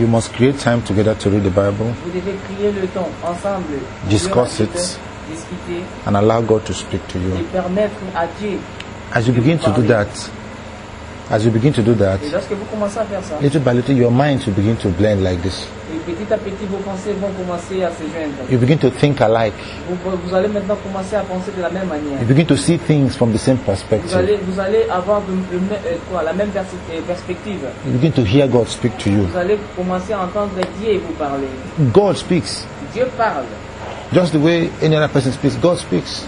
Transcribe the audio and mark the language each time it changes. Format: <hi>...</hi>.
<en>You must create time together to read the Bible.</en> <fr>Vous devez créer le temps ensemble.</fr> <en>Discuss it.</en> <fr>Discuter.</fr> <en>And allow God to speak to you.</en> <fr>Et permettre à Dieu.</fr> <en>As you begin to do that.</en> <fr>Et lorsque vous commencez à faire ça.</fr> <en>Little by little, your mind will begin to blend like this.</en> <fr>Et petit à petit, vos pensées vont commencer à se joindre.</fr> <en>You begin to think alike.</en> <fr>Vous allez maintenant commencer à penser de la même manière.</fr> <en>You begin to see things from the same perspective.</en> <fr>Vous allez avoir la même perspective.</fr> <en>You begin to hear God speak to you.</en> <fr>Vous allez commencer à entendre Dieu vous parler.</fr> <en>God speaks.</en> <fr>Dieu parle.</fr> <en>Just the way any other person speaks, God speaks.</en>